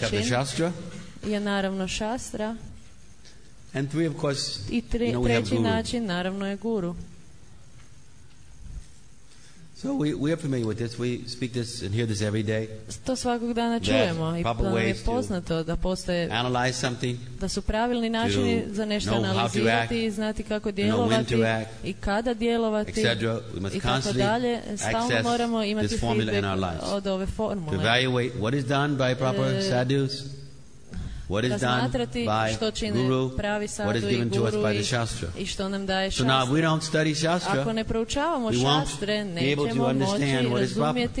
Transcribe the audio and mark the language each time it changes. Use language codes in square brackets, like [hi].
[en] have the shastra. [hr] Je naravno šastra. [en] And three, of course, [hr] i treći [en] guru. [hr] Način naravno je guru. [en] So we are familiar with this. We speak this and hear this every day. [hr] To svakog dana čujemo i to nam je poznato da postoje [en] analyze something. [hr] Da su pravilni načini za nešto analizirati i znati kako djelovati i kada djelovati. [en] We must constantly [hr] stalno moramo imati [en] feedback [hr] od ove formule. [en] To evaluate what is done by proper sadhus. What is done by guru, what is given to us by the shastra. So now if we don't study shastra, [hr] ako ne proučavamo [en] we won't [hr] šastre, [en] be able to understand what is proper.